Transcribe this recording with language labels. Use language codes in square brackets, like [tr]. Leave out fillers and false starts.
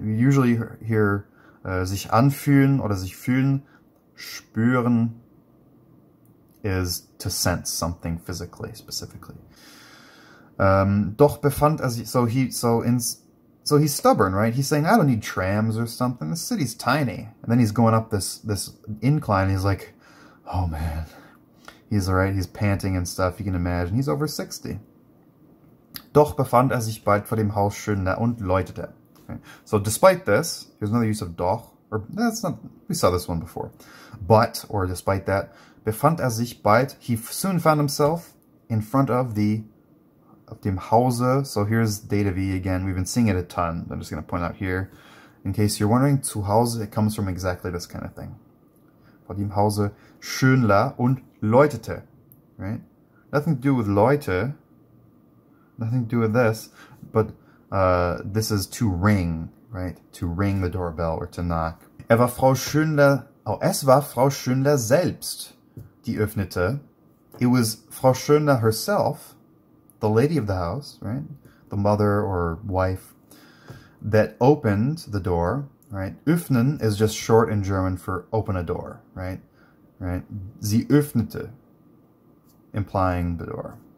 [en] We usually hear [de] sich anfühlen oder sich fühlen, [en] spüren is to sense something physically, specifically. [de] Doch befand er sich, [en] so he's stubborn, right? He's saying, I don't need trams or something. The city's tiny. And then he's going up this incline. And he's like, oh man, he's all right. He's panting and stuff. You can imagine he's over 60. [de] Doch befand er sich bald vor dem Haus schöner und läutete. [en] Okay. So despite this, here's another use of doch, or that's not, we saw this one before, but, or despite that, [de] befand er sich bald, [en] he soon found himself in front of the, of dem Hause. So here's Data V again. We've been seeing it a ton. I'm just going to point out here. In case you're wondering, zu Hause, it comes from exactly this kind of thing. [de] Vor dem Hause schönler und läutete. [en] Right? Nothing to do with Leute. Nothing to do with this. But this is to ring. Right? To ring the doorbell or to knock. [de] Er war Frau Schönler. Oh, es war Frau Schönler selbst, die öffnete. [en] It was Frau Schönler herself, the lady of the house, right? The mother or wife that opened the door, right? Öffnen is just short in German for open a door, right? Right? [de] Sie öffnete, [en] implying the door.